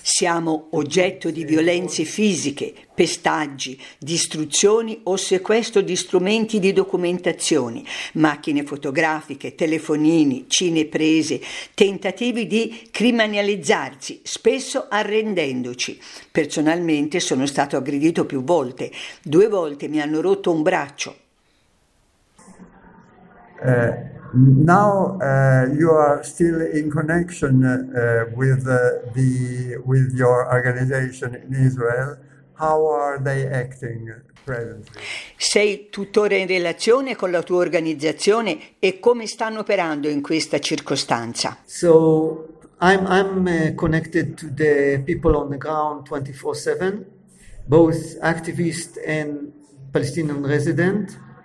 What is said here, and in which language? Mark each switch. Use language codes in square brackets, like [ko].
[it] Siamo oggetto di violenze fisiche, pestaggi, distruzioni o sequestro di strumenti di documentazione, macchine fotografiche, telefonini, cineprese, tentativi di criminalizzarci, spesso arrendendoci. Personalmente sono stato aggredito più volte, due volte mi hanno rotto un braccio. [en] Now you are still in connection with your organization in Israel. How are they acting presently? [it] Sei tuttora in relazione con la tua organizzazione e come stanno operando in questa circostanza? [en] So I'm connected to the people on the ground 24/7, both activists and Palestinian resident.